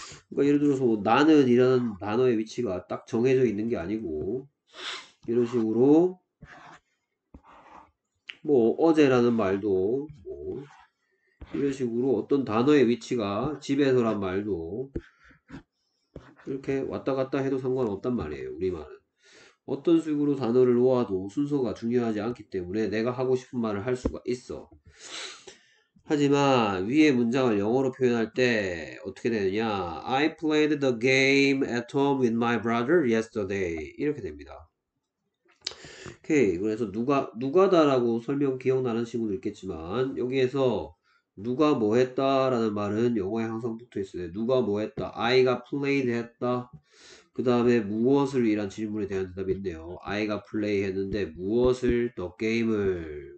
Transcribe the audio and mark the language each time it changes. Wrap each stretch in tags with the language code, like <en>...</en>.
<ko>그러니까 예를 들어서 나는 이라는 단어의 위치가 딱 정해져 있는 게 아니고, 이런 식으로 뭐 어제라는 말도 뭐 이런 식으로 어떤 단어의 위치가 집에서란 말도 이렇게 왔다 갔다 해도 상관없단 말이에요. 우리말은 어떤 식으로 단어를 놓아도 순서가 중요하지 않기 때문에 내가 하고 싶은 말을 할 수가 있어. 하지만 위의 문장을 영어로 표현할 때 어떻게 되느냐?</ko> <en>I played the game at home with my brother yesterday.</en> <ko>이렇게 됩니다. 오케이. 그래서 누가다라고 설명 기억나는 친구도 있겠지만, 여기에서 누가 뭐 했다라는 말은 영어에 항상 붙어 있어요. 누가 뭐 했다. I가 played 했다. 그 다음에 무엇을 이란 질문에 대한 대답이 있네요. I가 play 했는데 무엇을 the game을.</ko>